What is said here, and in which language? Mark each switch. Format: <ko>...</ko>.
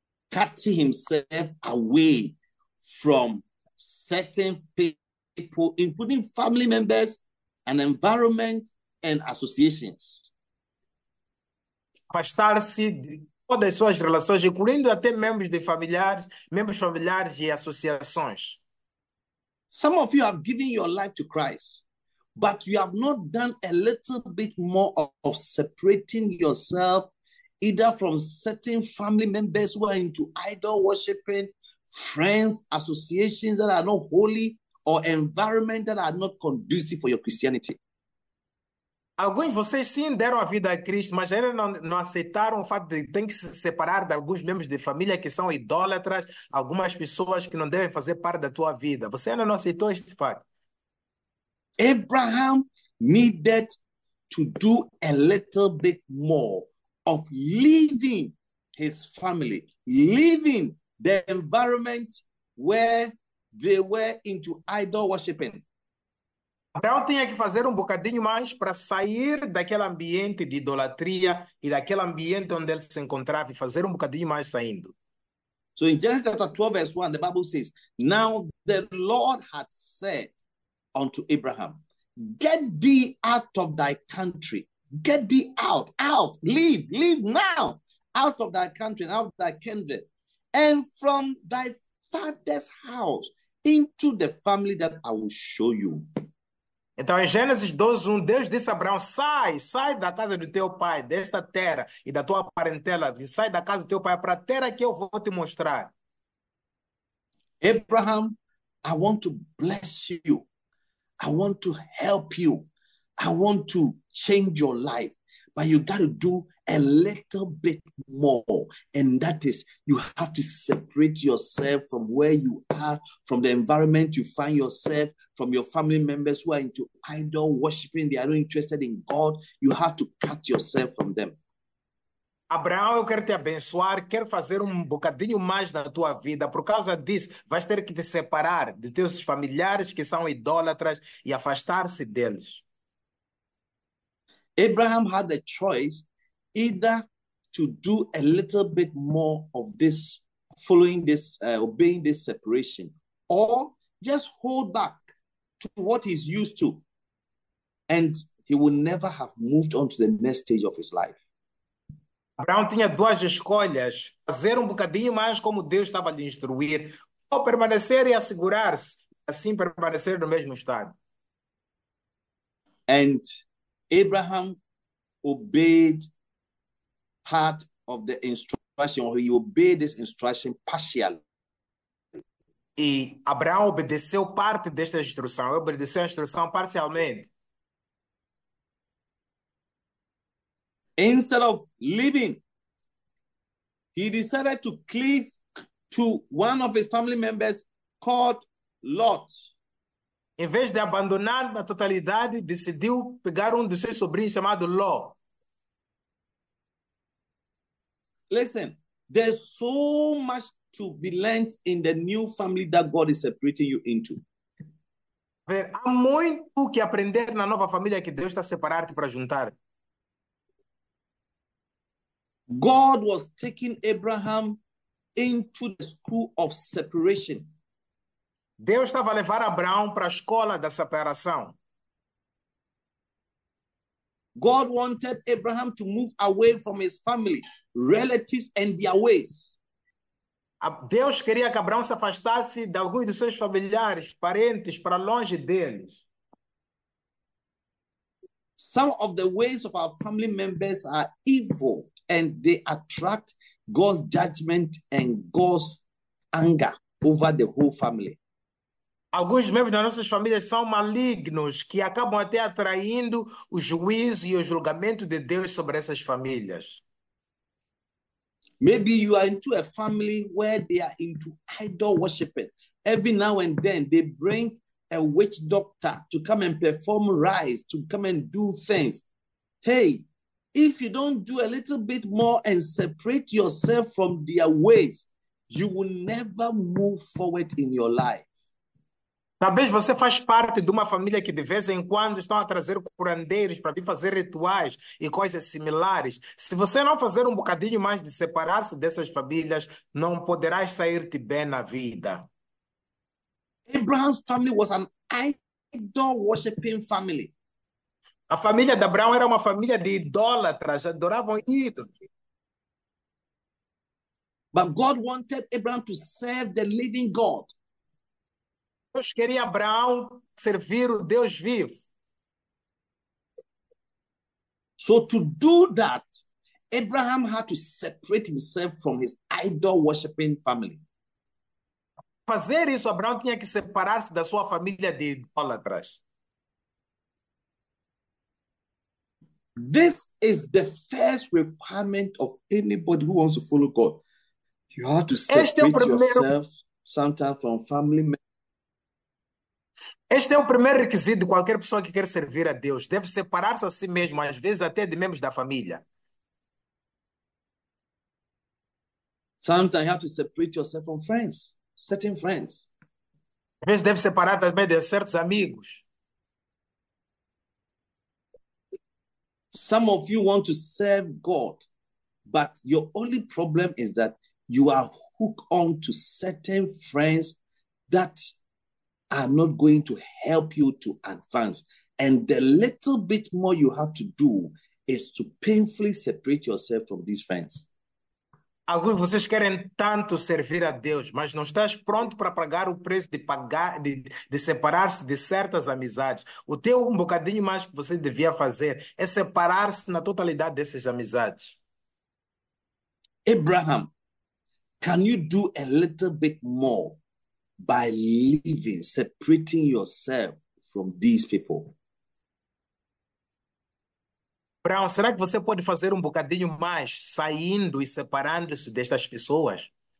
<en>Cutting himself away from certain people, including family members, and environment and associations.</en> <pt>Afastar-se de todas as suas relações, incluindo até membros familiares e associações.</pt> <en>Some of you have given your life to Christ, but you have not done a little bit more of separating yourself either from certain family members who are into idol worshiping, friends, associations that are not holy, or environment that are not conducive for your Christianity.</en> <pt>Alguns de vocês sim deram a vida a Cristo, mas ainda não aceitaram o fato de ter que se separar de alguns membros de família que são idólatras, algumas pessoas que não devem fazer parte da tua vida. Você ainda não aceitou este fato.</pt> <en>Abraham needed to do a little bit more of leaving his family, leaving the environment where they were into idol worshiping.</en> <pt>Abraão tinha que fazer um bocadinho mais para sair daquele ambiente de idolatria e daquele ambiente onde ele se encontrava e fazer um bocadinho mais saindo.</pt> <en>So in Genesis chapter 12, verse 1, the Bible says, "Now the Lord had said unto Abraham, get thee out of thy country, get thee out, leave now, out of thy country and out of thy kindred, and from thy father's house into the family that I will show you."</en> <pt>Então, em Gênesis 12, 1, Deus disse a Abraão, sai da casa do teu pai, desta terra e da tua parentela, e sai da casa do teu pai para a terra que eu vou te mostrar.</pt> <en>Abraham, I want to bless you. I want to help you. I want to change your life. But you got to do a little bit more. And that is, you have to separate yourself from where you are, from the environment you find yourself, from your family members who are into idol worshiping, they are not interested in God. You have to cut yourself from them.</en> <pt>Abraão, eu quero te abençoar, quero fazer um bocadinho mais na tua vida. Por causa disso, vais ter que te separar de teus familiares que são idólatras e afastar-se deles.</pt> <en>Abraham had a choice either to do a little bit more of this, following this, obeying this separation, or just hold back to what he's used to, and he will never have moved on to the next stage of his life.</en> <pt>Abraão tinha duas escolhas, fazer um bocadinho mais como Deus estava a lhe instruir, ou permanecer e assegurar-se, assim permanecer no mesmo estado.</pt> <en>And Abraham obeyed part of the instruction, or he obeyed this instruction partially.</en> <pt>E Abraão obedeceu parte desta instrução, ele obedeceu a instrução parcialmente.</pt> <en>Instead of leaving, he decided to cleave to one of his family members called Lot.</en> <pt>Em vez de abandonar na totalidade, decidiu pegar dos seus sobrinhos chamado Ló.</pt> <en>Listen, there's so much to be learned in the new family that God is separating you into.</en> <pt>Há muito que aprender na nova família que Deus está separando para juntar.</pt> <en>God was taking Abraham into the school of separation.</en> <pt>Deus estava a levar Abraão para a escola da separação.</pt> <en>God wanted Abraham to move away from his family, relatives, and their ways.</en> <pt>Deus queria que Abraão se afastasse de alguns dos seus familiares, parentes, para longe deles.</pt> <en>Some of the ways of our family members are evil, and they attract God's judgment and God's anger over the whole family.</en> <pt>Alguns membros das nossas famílias são malignos, que acabam até atraindo o juízo e o julgamento de Deus sobre essas famílias.</pt> <en>Maybe you are into a family where they are into idol worshiping. Every now and then, they bring a witch doctor to come and perform rites, to come and do things. Hey, if you don't do a little bit more and separate yourself from their ways, you will never move forward in your life.</en> <pt>Talvez você faz parte de uma família que de vez em quando estão a trazer curandeiros para vir fazer rituais e coisas similares. Se você não fazer um bocadinho mais de separar-se dessas famílias, não poderás sair-te bem na vida.</pt> <en>Abraham's family was an idol-worshipping family.</en> <pt>A família de Abraão era uma família de idólatras, adoravam ídolos.</pt> <en>But God wanted Abraham to serve the living God.</en> <pt>Deus queria Abraão servir o Deus vivo.</pt> <en>So to do that, Abraham had to separate himself from his idol worshiping family.</en> <pt>Fazer isso, Abraão tinha que separar-se da sua família de idólatras.</pt> <en>This is the first requirement of anybody who wants to follow God. You have to</en> <pt>Este é o</pt> <en>separate</en> <pt>primeiro</pt> <en>yourself sometimes from family members.</en> <pt>Este é o primeiro requisito de qualquer pessoa que quer servir a Deus. Deve separar-se a si mesmo, às vezes até de membros da família.</pt> <en>Sometimes you have to separate yourself from friends, certain friends.</en> <pt>Às vezes deve separar também de certos amigos.</pt> <en>Some of you want to serve God, but your only problem is that you are hooked on to certain friends that are not going to help you to advance. And the little bit more you have to do is to painfully separate yourself from these friends.</en> <pt>Alguns vocês querem tanto servir a Deus, mas não estás pronto para pagar o preço de pagar de separar-se de certas amizades. O teu um bocadinho mais que você devia fazer é separar-se na totalidade dessas amizades.</pt> <en>Abraham, can you do a little bit more by leaving, separating yourself from these people?</en> <pt>Abraão, será que você pode fazer um bocadinho mais saindo e separando-se destas pessoas?</pt>